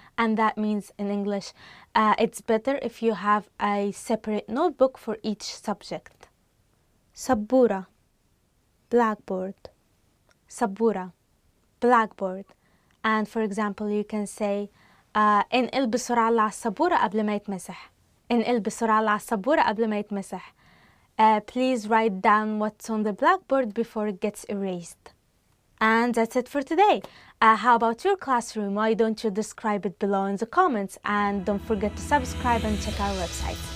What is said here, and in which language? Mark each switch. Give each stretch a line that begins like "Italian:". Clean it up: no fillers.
English: And that means in English it's better if you have a separate notebook for each subject.
Arabic: سبورة blackboard
English: سبورة blackboard. And for example you can say
Arabic: انقل بسرعة على السبورة قبل ما يتمسح. انقل بسرعة على السبورة قبل ما يتمسح.
English: Please write down what's on the blackboard before it gets erased. And that's it for today. How about your classroom? Why don't you describe it below in the comments? And don't forget to subscribe and check our website.